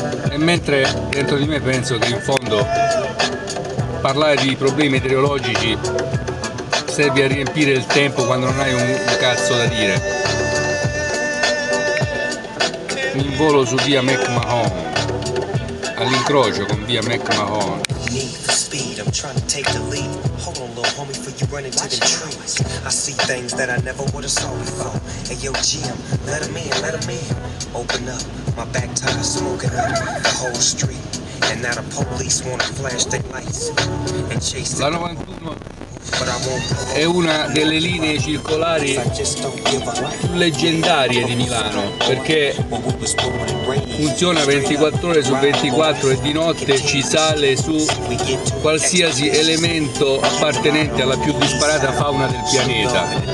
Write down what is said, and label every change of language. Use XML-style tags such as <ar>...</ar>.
<it>E mentre dentro di me penso che in fondo parlare di problemi meteorologici serve a riempire il tempo quando non hai un cazzo da dire, in volo su via McMahon, all'incrocio con via McMahon.</it> <en>I'm trying to take the leap. Hold on, little homie, for you run into the trees. I see things that I never would have saw before. Hey, yo, Jim, let him in, let him in. Open up, my back tire smoking up the whole street. And now the police want to flash their lights and chase the light.</en> <it>È una delle linee circolari più leggendarie di Milano, perché funziona 24 ore su 24 e di notte ci sale su qualsiasi elemento appartenente alla più disparata fauna del pianeta.</it>